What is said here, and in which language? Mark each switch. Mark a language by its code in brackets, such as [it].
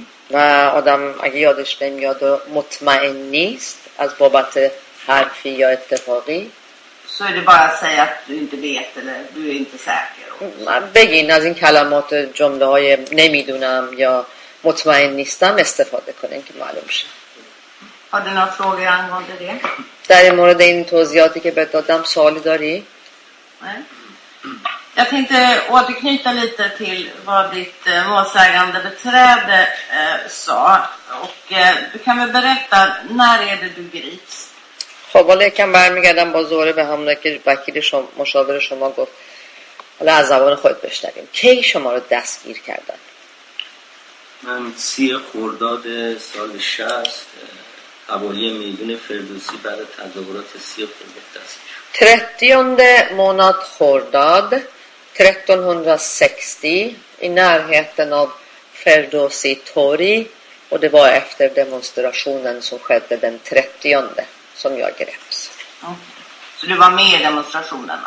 [fa] و آدم اگه یادش بمیاد و مطمئن نیست از بابت حرفی یا اتفاقی، [sv] så är det bara att säga att du inte vet eller du är inte säker. [fa] Begin از این کلمات جمله های نمیدونم یا مطمئن نیستم استفاده کنین که معلوم شه. [sv] Har du några frågor angående det? [fa] در این مورد این توضیحاتی که بدادم سوالی داری؟ [sv] Jag tänkte återknyta lite till vad ditt målsägande beträde sa. Och du kan väl berätta, när är det du grips? [fa] خب حالا یکم برمیگردم با زوره به همونه که وکیل شما مشاور شما گفت. حالا از زبان خود بشنویم. کی شما رو دستگیر کردن؟ من 30 خرداد سال 60 حوالی میدون فردوسی بعد تظاهرات 30 خرداد دستگیر. [sv] 30 månad خرداد 1360 i närheten av Ferdowsi Tori och det var efter demonstrationen som skedde den 30 som jag greps. Så du var med i demonstrationen?